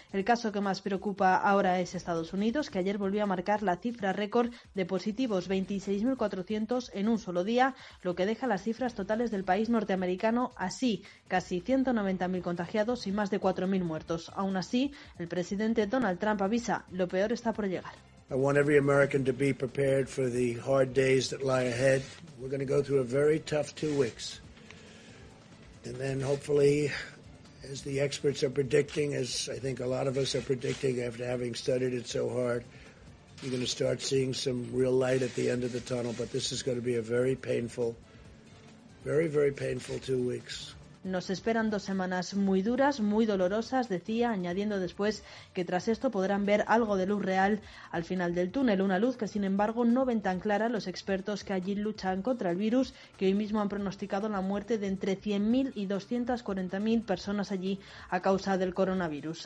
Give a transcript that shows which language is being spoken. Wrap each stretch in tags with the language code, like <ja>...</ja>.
<es>El caso que más preocupa ahora es Estados Unidos, que ayer volvió a marcar la cifra récord de positivos, 26.400 en un solo día, lo que deja las cifras totales del país norteamericano así, casi 190.000 contagiados y más de 4.000 muertos. Aún así, el presidente Donald Trump avisa, lo peor está por llegar.</es> <en>I want every American to be prepared for the hard days that lie ahead. We're going to go through a very tough 2 weeks. And then hopefully, as the experts are predicting, as I think a lot of us are predicting after having studied it so hard, you're going to start seeing some real light at the end of the tunnel. But this is going to be a very painful, very, very painful 2 weeks.</en> <es>Nos esperan dos semanas muy duras, muy dolorosas, decía, añadiendo después que tras esto podrán ver algo de luz real al final del túnel. Una luz que, sin embargo, no ven tan clara los expertos que allí luchan contra el virus, que hoy mismo han pronosticado la muerte de entre 100.000 y 240.000 personas allí a causa del coronavirus.</es>